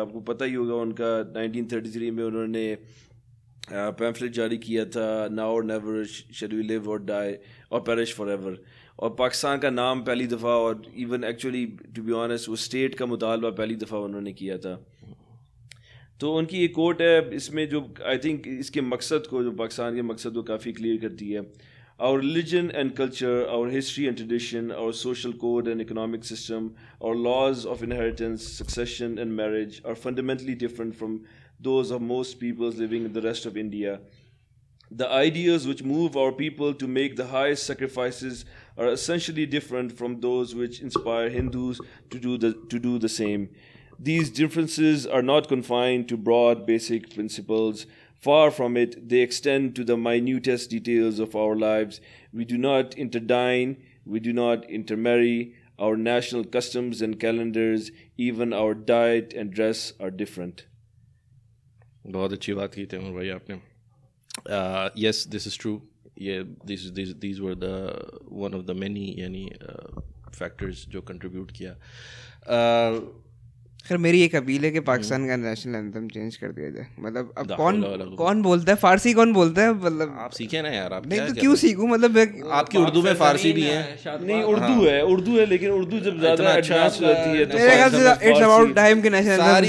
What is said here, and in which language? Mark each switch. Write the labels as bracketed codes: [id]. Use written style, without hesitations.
[ur] آپ کو پتہ ہی ہوگا ان کا 1933 میں انہوں نے پیمفلٹ جاری کیا تھا, [en] Now or never, shall we live or die or perish forever ایور. [ur] اور پاکستان کا نام پہلی دفعہ, اور even actually to be honest, اس state کا مطالبہ پہلی دفعہ انہوں نے کیا تھا. تو ان کی ایک کوٹ ہے اس میں جو آئی تھنک اس کے مقصد کو, جو پاکستان کے مقصد کو کافی کلیئر کرتی ہے. [en] Our religion and culture, our history and tradition, our social code and economic system, our laws of inheritance, succession and marriage are fundamentally different from those of most peoples living in the rest of India. The ideas which move our people to make the highest sacrifices are essentially different from those which inspire Hindus to do the same. These differences are not confined to broad basic principles. Far from it, they extend to the minutest details of our lives. We do not interdine, we do not intermarry. Our national customs and calendars, even our diet and dress are different. [ur] Bahut achhi baat ki Taimur bhai aapne. [en] Yes, this is true. Yeah, these were the one of the many yani factors jo contribute kiya. [ur] خیر میری ایک appeal ہے کہ پاکستان کا national anthem change کر دیا جائے. مطلب اب کون بولتا ہے فارسی, کون بولتا ہے؟ مطلب آپ سیکھیں نا یار, آپ نہیں تو کیوں سیکھوں؟ مطلب آپ کی اردو میں فارسی بھی ہے؟ نہیں اردو ہے, اردو ہے, لیکن اردو جب زیادہ ایڈوانس ہو جاتی ہے تو میرے خیال سے [en] it's about time [ur] کہ نیشنل اینتھم